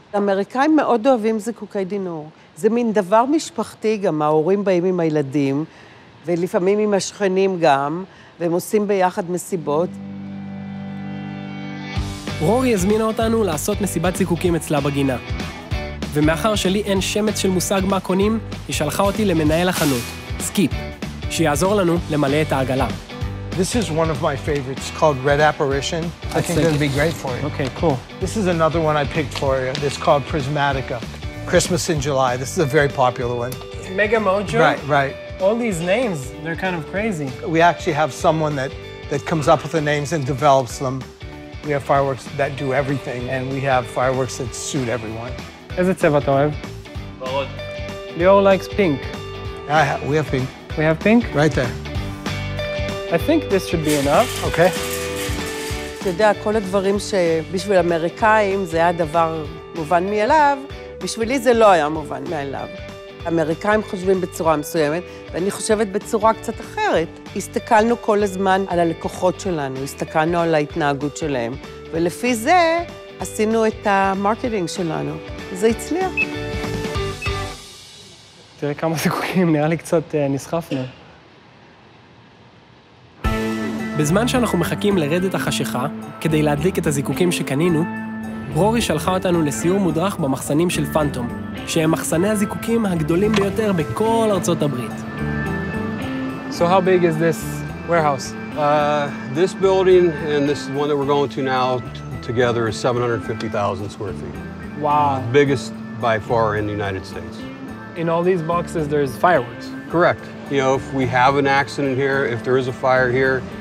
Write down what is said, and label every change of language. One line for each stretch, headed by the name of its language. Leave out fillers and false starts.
Hebrew: אמריקאים מאוד אוהבים זיקוקי דינור. זה מין דבר משפחתי גם, ההורים באים עם הילדים, ולפעמים עם השכנים גם, והם עושים ביחד מסיבות. רורי הזמינה אותנו לעשות מסיבת זיקוקים אצלה בגינה. ומאחר שלי אין שמץ של מושג מה קונים, היא שלחה אותי למנהל החנות, סקיפ, שיעזור לנו למלא את העגלה.
English: This is one of my favorites called Red Apparition. I think it'll be great for you. Okay, cool. This is another one I picked for you. It's called Prismatica. Christmas in July. This is a very popular one. Mega Mojo? Right, right. All these names, they're kind of crazy. We actually have someone that comes up with the names and develops them. We have fireworks that do everything, and we have fireworks that suit everyone.
Hebrew: איזה צבע אתה אוהב? ברוד.
English: ליאור likes pink. We have pink. We have pink? Right there. I think this should be enough. Okay.
Hebrew: אתה יודע, כל הדברים שבשביל אמריקאים זה היה דבר מובן מאליו, בשבילי זה לא היה מובן מאליו. אמריקאים חושבים בצורה מסוימת, ואני חושבת בצורה קצת אחרת. הסתכלנו כל הזמן על הלקוחות שלנו, הסתכלנו על ההתנהגות שלהם, ולפי זה עשינו את המרקטינג שלנו. זה הצליח. תראה כמה זיקוקים, נראה לי קצת נסחפנו. בזמן שאנחנו מחכים לרדת החשיכה, כדי להדליק את הזיקוקים שקנינו, רורי שלחה אותנו לסיור מודרך במחסנים של פנטום, שהם מחסני הזיקוקים הגדולים ביותר בכל ארצות הברית.
English: So how big is this warehouse? This building and this one that we're going to now together is 750,000 square feet. Wow. Biggest by far in the United States. In all these boxes there's fireworks. Correct. You know, if we have an accident here, if there is a fire here,